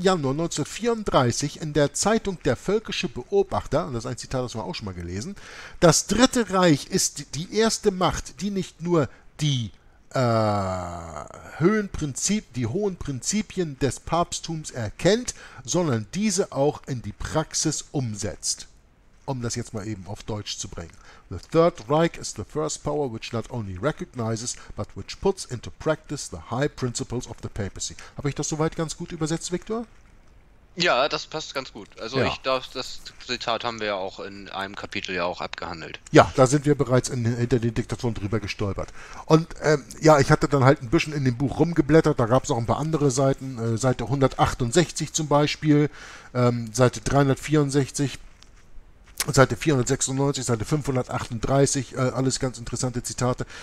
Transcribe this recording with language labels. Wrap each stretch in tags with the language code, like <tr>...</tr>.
<de>Januar 1934 in der Zeitung Der Völkische Beobachter, und das ist ein Zitat, das wir auch schon mal gelesen, das Dritte Reich ist die erste Macht, die nicht nur die hohen Prinzipien des Papsttums erkennt, sondern diese auch in die Praxis umsetzt. Um das jetzt mal eben auf Deutsch zu bringen.</de> <en>The Third Reich is the first power which not only recognizes, but which puts into practice the high principles of the papacy.</en> <de>Habe ich das soweit ganz gut übersetzt, Viktor? Ja, das passt ganz gut. Also ja. Das Zitat haben wir ja auch in einem Kapitel ja auch abgehandelt. Ja, da sind wir bereits hinter den Diktatoren drüber gestolpert. Und ja, ich hatte dann halt ein bisschen in dem Buch rumgeblättert, da gab es auch ein paar andere Seiten, Seite 168 zum Beispiel, Seite 364, Seite 496, Seite 538, alles ganz interessante Zitate.</de>